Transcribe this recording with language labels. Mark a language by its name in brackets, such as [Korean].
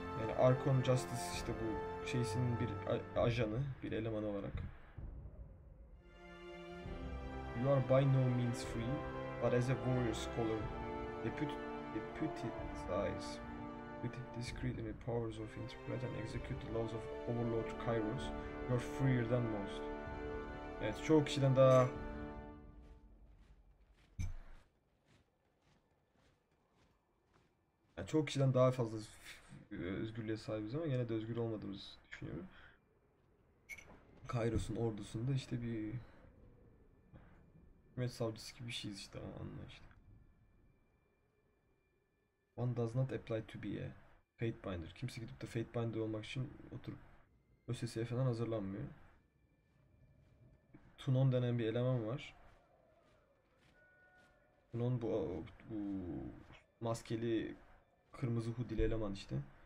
[Turkish] Yani Archon Justice işte bu şeysinin bir ajanı, bir elemanı olarak. [English] You are by no means free, but as a warrior scholar, deputized. With discreet in the powers of interpret and execute the laws of Overlord Kairos, you're freer than most. [Turkish] Evet, çoğu kişiden daha... Yani çoğu kişiden daha fazla özgürlüğe sahibiz ama yine de özgür olmadığımızı düşünüyorum. Kairos'un ordusunda işte bir... Hükümet savcısı gibi bir şeyiz işte, anla işte. [English] One does not apply to be a Fatebinder. [Turkish] Kimse gidip de Fatebinder olmak için oturup ÖSS'ye falan hazırlanmıyor. Tunon denen bir eleman var. Tunon bu maskeli kırmızı hoodie'li eleman işte.